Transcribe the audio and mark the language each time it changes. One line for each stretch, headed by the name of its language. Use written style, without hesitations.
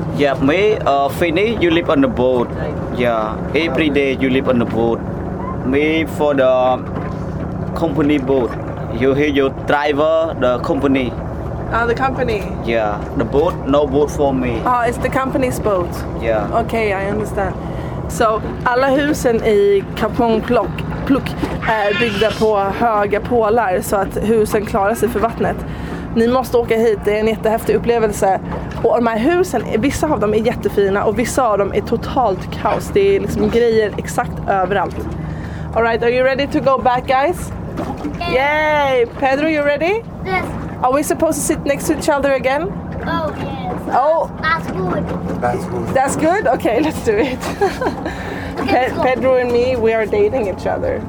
English: Yeah, me, Finnish, you live on the boat. Yeah, every day you live on the boat. Me, for the company boat. You driver, the company. Ah, the company. Yeah, the boat, no boat for me. Ah, it's the company's boat. Yeah. Okay, I understand.
Swedish: So, alla husen i Kampong Pluk är byggda på höga pålar så att husen klarar sig för vattnet. Ni måste åka hit, det är en jättehäftig upplevelse. Och de här husen, vissa av dem är jättefina och vissa av dem är totalt kaos. Det är liksom grejer exakt överallt.
English: All right, are you ready to go back, guys? Yeah. Yay! Pedro, you ready? Yes. Are we supposed to sit next to each other again? Oh, yes. Oh. That's good. That's good. That's good? Okay, let's do it. Okay, Pedro and me, we are dating each other.